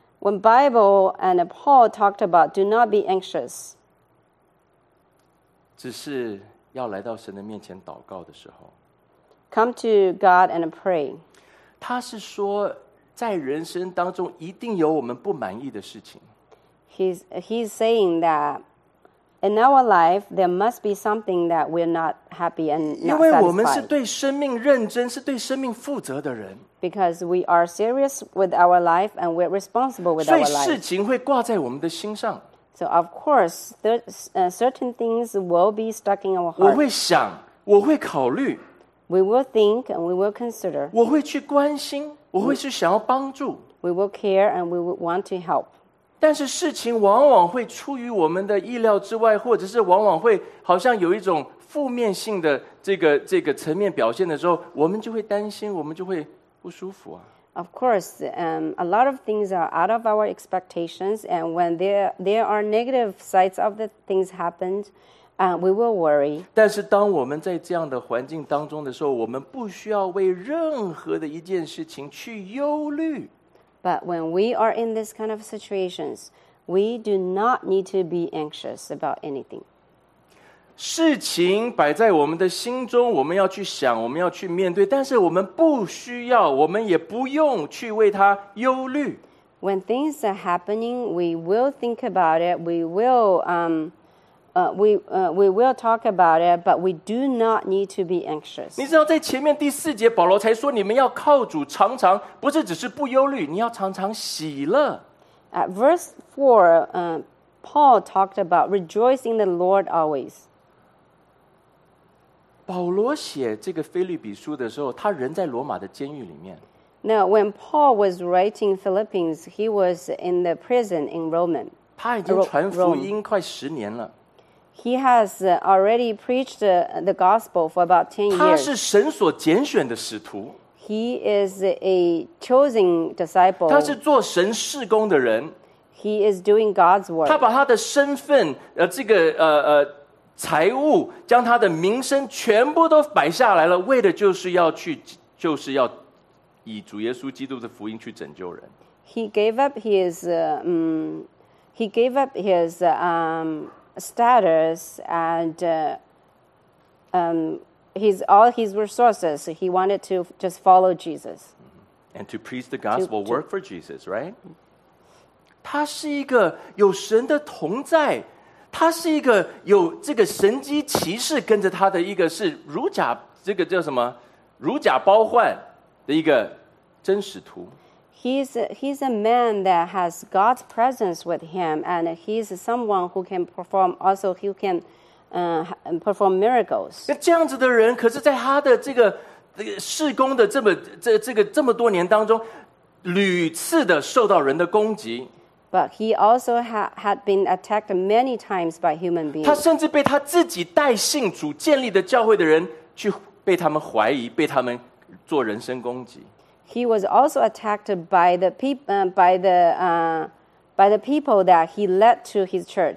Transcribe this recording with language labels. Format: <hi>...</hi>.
<en>，When Bible and Paul talked about do not be anxious，</en> <zh>只是要来到神的面前祷告的时候</zh> <en>，Come to God and pray。</en> <zh>他是说，在人生当中一定有我们不满意的事情。</zh> <en>He's saying that. In our life, there must be something that we're not happy and not satisfied.</en> <zh>因为我们是对生命认真，是对生命负责的人。</zh> <en>Because we are serious with our life and we're responsible with our life.</en> <zh>所以事情会挂在我们的心上。</zh> <en>So of course, certain things will be stuck in our heart.</en> <zh>我会想，我会考虑。</zh> <en>We will think and we will consider.</en> <zh>我会去关心，我会去想要帮助。</zh> <en>We will care and we will want to help.</en> <zh>但是事情往往会出于我们的意料之外，或者是往往会好像有一种负面性的这个层面表现的时候，我们就会担心，我们就会不舒服啊。</zh> <en>Of course, a lot of things are out of our expectations, and when there are negative sides of the things happened, we will worry.</en> <zh>但是当我们在这样的环境当中的时候，我们不需要为任何的一件事情去忧虑。</zh> <en>But when we are in this kind of situations, we do not need to be anxious about anything.</en> <zh>事情摆在我们的心中，我们要去想，我们要去面对，但是我们不需要，我们也不用去为它忧虑。</zh> <en>When things are happening, we will think about it, we will, We will talk about it, but we do not need to be anxious.</en> <zh>你知道在前面第四节，保罗才说你们要靠主常常，不是只是不忧虑，你要常常喜乐。</zh> <en>At verse 4, Paul talked about rejoicing the Lord always.</en> <zh>保罗写这个腓律比书的时候，他人在罗马的监狱里面。</zh> <en>Now, when Paul was writing Philippians, he was in the prison in Rome.</en> <zh>他已经传福音快十年了。</zh> <en>He has already preached the gospel for about 10 years.</en> <zh>他是神所拣选的使徒。</zh> <en>He is a chosen disciple.</en> <zh>他是做神事工的人。</zh> <en>He is doing God's work.</en> <zh>他把他的身份，这个财物，将他的名声全部都摆下来了，为的就是要去，就是要以主耶稣基督的福音去拯救人。</zh> <en>He gave up his status and all his resources. So he wanted to just follow Jesus. And to preach the gospel work for Jesus, right?</en> <zh>他是一个有神的同在，他是一个有这个神迹奇事跟着他的一个是如假，这个叫什么？如假包换的一个真使徒。</zh> <en>He's a man that has God's presence with him, and he's someone who can perform, also who can perform miracles.</en> <zh>这样子的人，可是在他的这个事工的这么多年当中，屡次的受到人的攻击。</zh> <en>But he also had been attacked many times by human beings.</en> <zh>他甚至被他自己带信主建立的教会的人去被他们怀疑，被他们做人身攻击。</zh> <en>He was also attacked by the people that he led to his church.</en>